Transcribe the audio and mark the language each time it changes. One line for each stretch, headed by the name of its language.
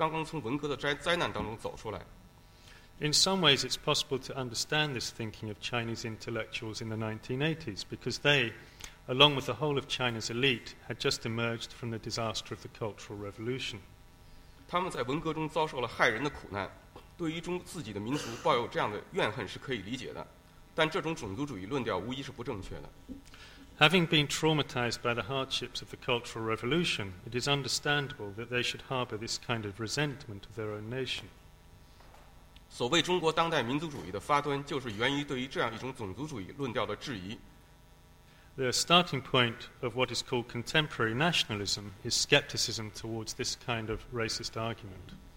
Chinese: 我们可以从某种程度上理解1980年代中国知识分子的这种想法，因为他们还有整个中国的精英集团刚刚从文革的灾难当中走出来。
English: In some ways, it's possible to understand this thinking of Chinese intellectuals in the 1980s because they, along with the whole of China's elite, had just emerged from the disaster of the Cultural Revolution.
Chinese: 他们在文革中遭受了害人的苦难，对于自己的民族抱有这样的怨恨是可以理解的，但这种种族主义论调无疑是不正确的。
English: Having been traumatized by the hardships of the Cultural Revolution, it is understandable that they should harbor this kind of resentment of their own nation.
Chinese: 所谓中国当代民族主义的发端，就是源于对于这样一种种族主义论调的质疑。
English: The starting point of what is called contemporary nationalism is skepticism towards this kind of racist argument.